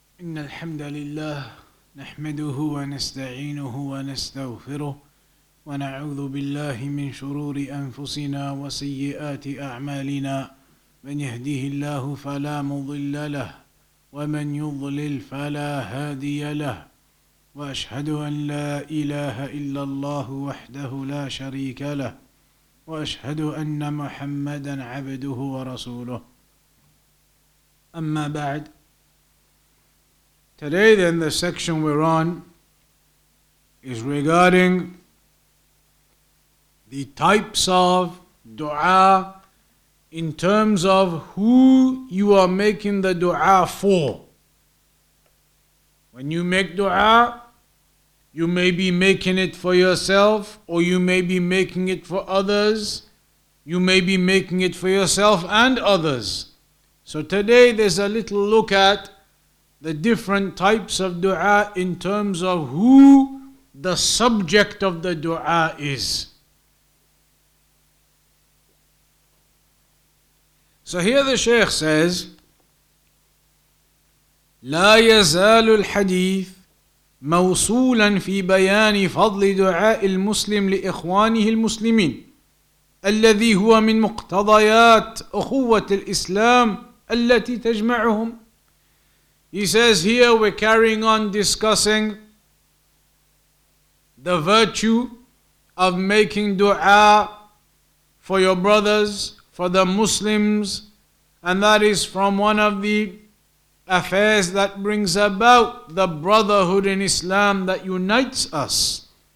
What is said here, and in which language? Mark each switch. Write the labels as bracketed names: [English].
[Arabic] إن الحمد لله نحمده ونستعينه ونستغفره ونعوذ بالله من شرور أنفسنا وسيئات أعمالنا من يهده الله فلا مضل له ومن يضلل فلا هادي له وأشهد أن لا إله إلا الله وحده لا شريك له وأشهد أن محمدا عبده ورسوله أما بعد. [English] Today then the section we're on is regarding the types of dua in terms of who you are making the dua for. When you make dua, you may be making it for yourself or you may be making it for others. You may be making it for yourself and others. So today there's a little look at the different types of dua in terms of who the subject of the dua is. So here the Shaykh says, [Arabic] لا يزال الحديث موصولا في بيان فضل دعاء المسلم لإخوانه المسلمين الذي هو من مقتضيات أخوة الإسلام التي تجمعهم. [English] He says here we're carrying on discussing the virtue of making dua for your brothers, for the Muslims, and that is from one of the affairs that brings about the brotherhood in Islam that unites us.